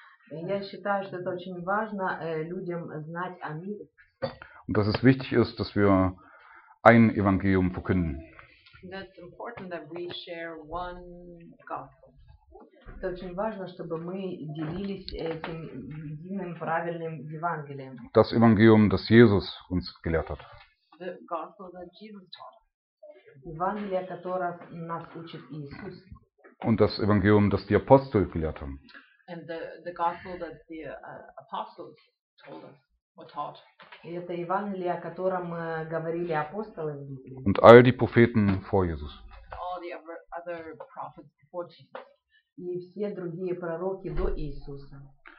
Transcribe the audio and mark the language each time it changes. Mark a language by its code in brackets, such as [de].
[ru] Я считаю, что это очень важно людям знать о мире. [de] Und dass es wichtig ist, dass wir ein Evangelium verkünden. [en] That's important that we share one gospel. [ru] Это очень важно, чтобы мы делились этим единым правильным Евангелием. [de] Das Evangelium, das Jesus uns gelehrt hat. [en] The gospel that Jesus taught. [ru] Евангелие, которое нас учит Иисус. [de] Und das Evangelium, das die Apostel gelehrt haben. [en] And the gospel that the apostles told us or taught. [ru] И это Евангелие, о котором говорили апостолы. [de] Und all die Propheten vor Jesus. [en] All the other prophets before Jesus. [ru] И все другие пророки до Иисуса.